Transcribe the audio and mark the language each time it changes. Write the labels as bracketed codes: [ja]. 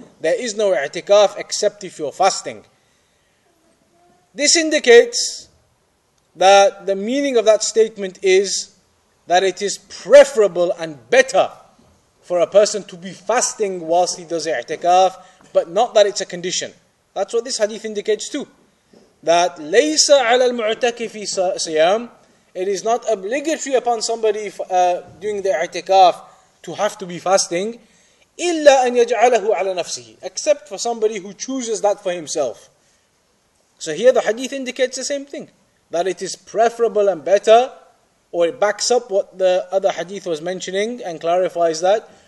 [en] There is no i'tikaf except if you're fasting. This indicates that the meaning of that statement is that it is preferable and better for a person to be fasting whilst he does i'tikaf, but not that it's a condition. That's what this hadith indicates too. [ar] That ليس على المعتكف صيام. [en] It is not obligatory upon somebody doing the i'tikaf to have to be fasting. [ar] إلا أن يجعله على نفسه. [en] Except for somebody who chooses that for himself. So here the hadith indicates the same thing. That it is preferable and better, or it backs up what the other hadith was mentioning and clarifies that.